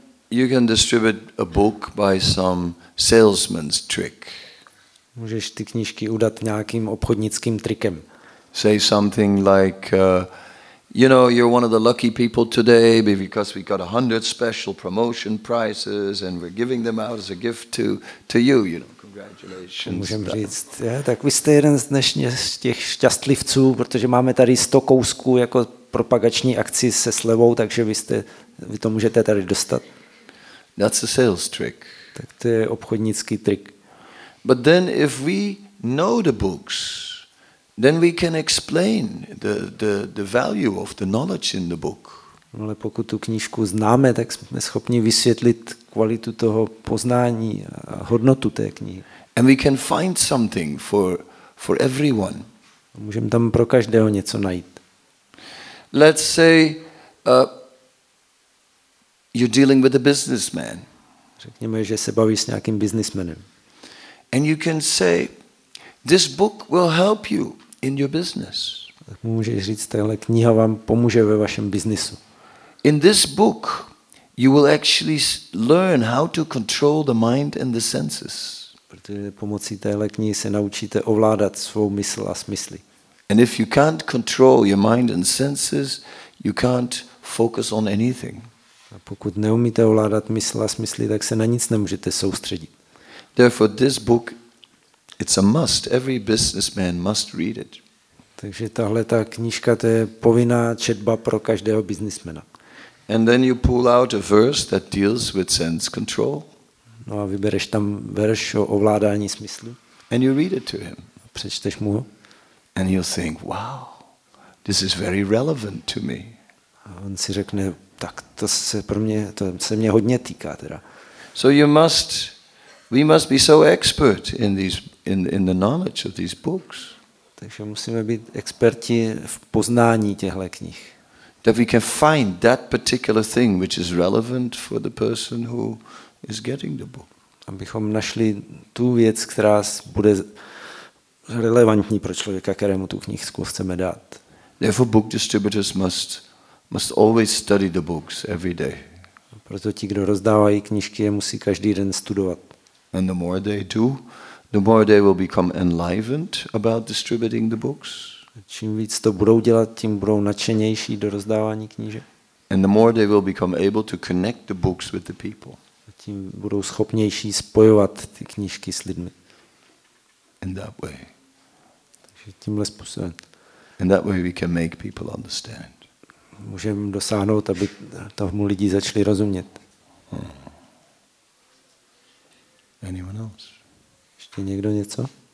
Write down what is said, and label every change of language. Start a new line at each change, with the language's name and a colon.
English: You can distribute a book by some salesman's trick.
Czech: Můžeš ty knížky udat nějakým obchodnickým trikem.
English: Say something like, you know, you're one of the lucky people today because we got 100 special promotion prizes and we're giving them out as a gift to you, you know. Congratulations.
Czech: Můžem říct, tak vy jste jeden z dnešních těch šťastlivců, protože máme tady 100 kousků jako propagační akci se slevou, takže vy to můžete tady dostat.
English: That's a sales trick.
Czech: Tak to je obchodnický trik.
English: But then if we know the books, then we can explain the value of the knowledge in the book.
Czech: Ale pokud tu knížku známe, tak jsme schopni vysvětlit kvalitu toho poznání a hodnotu té knihy.
English: And we can find something for everyone.
Czech: Můžeme tam pro každého něco najít.
English: Let's say you're dealing with a businessman.
Czech: Řekněme, že se bavíš s nějakým businessmanem.
English: And you can say, this book will help you in your business.
Czech: Tak můžeš říct, tahle kniha vám pomůže ve vašem biznisu.
English: In this book, you will actually learn how to control the mind and the senses.
Czech: Protože pomocí téhle knihy se naučíte ovládat svou mysl a smysly.
English: And if you can't control your mind and senses, you can't focus on anything.
Czech: A pokud neumíte ovládat mysl a smysly, tak se na nic nemůžete soustředit.
English: Therefore, this book, it's a must. Every businessman must read it.
Czech: Takže tahle ta knížka, to je povinná četba pro každého businessmana.
English: And then you pull out a verse that deals with sense control.
Czech: No a vybereš tam verš o ovládání smyslu.
English: And you read it to him.
Czech: Přečteš mu ho.
English: And he'll think, wow, this is very relevant to me.
Czech: A on si řekne, tak to se mě hodně týká teda.
English: So we must be so expert in the knowledge of these books.
Czech: Takže musíme být experti v poznání těchto knih.
English: That we can find that particular thing which is relevant for the person who is getting the book.
Czech: Abychom našli tu věc, která bude relevantní pro člověka, kterému tu knížku chceme dát.
English: Therefore, book distributors must always study the books every day.
Czech: Proto ti, kdo rozdávají knížky, je musí každý den studovat.
English: And the more they do, the more they will become enlivened about distributing the books.
Czech: Čím víc to budou dělat, tím budou nadšenější do rozdávání knížek.
English: And the more they will become able to connect the books with the people.
Czech: Tím budou schopnější spojovat ty knížky s lidmi.
English: In that way.
Czech: Takže tímhle způsobem.
English: In that way we can make people understand.
Czech: Můžeme dosáhnout, aby tomu lidi začali rozumět.
English: Anyone else?
Czech: Je někdo něco?